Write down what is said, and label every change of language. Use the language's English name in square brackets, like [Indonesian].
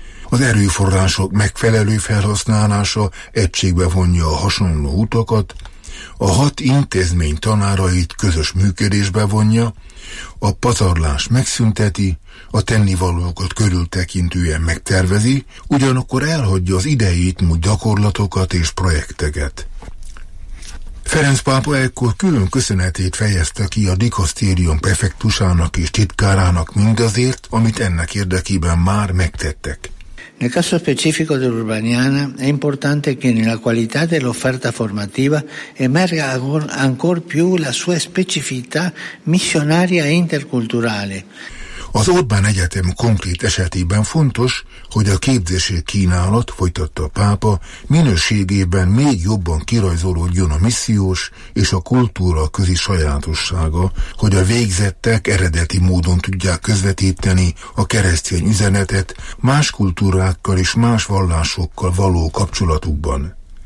[Hungarian] Az erőforrások megfelelő felhasználása egységbe vonja a hasonló utakat, a hat intézmény tanárait közös működésbe vonja, a pazarlás megszünteti, a tennivalókat körültekintően megtervezi, ugyanakkor elhagyja az idejét múlt gyakorlatokat és projekteket. Ferenc pápa ekkor külön köszönetét fejezte ki a dikasztérium prefektusának és titkárának mindazért, amit ennek érdekében már megtettek. [Italian] Nel caso specifico dell'Urbaniana è importante che nella qualità dell'offerta formativa emerga ancor più la sua specificità missionaria e interculturale. [Hungarian] Az Orbán Egyetem konkrét esetében fontos, hogy a képzési kínálat, folytatta a pápa, minőségében még jobban kirajzolódjon a missziós és a kultúra közi sajátossága, hogy a végzettek eredeti módon tudják közvetíteni a keresztény üzenetet más kultúrákkal és más vallásokkal való kapcsolatukban.